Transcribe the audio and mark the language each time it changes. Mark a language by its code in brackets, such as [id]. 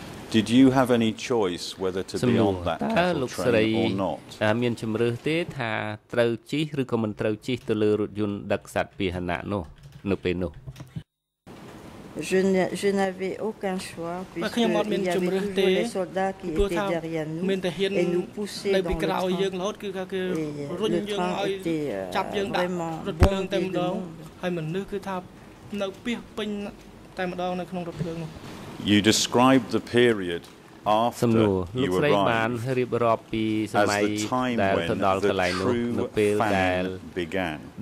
[en] Did you have any choice whether to be on that cattle train or not? [km] មាន ជម្រើស ទេ ថា ត្រូវ ជិះ ឬ ក៏ មិន ត្រូវ ជិះ ទៅ លើ រថយន្ត ដឹក សត្វ ពាហនៈ នោះ នៅ ពេល នោះ [fr] Je n'avais aucun choix puisque il y avait tous les soldats qui étaient derrière nous et nous poussaient dans le train. Et le train était vraiment bon et long. [km] ហើយ មនុស្ស គឺ ថា នៅ ពីស ពេញ តែ ម្ដង នៅ ក្នុង រថភ្លើង នោះ [en] You describe the period after you arrived as the time when the true fan began.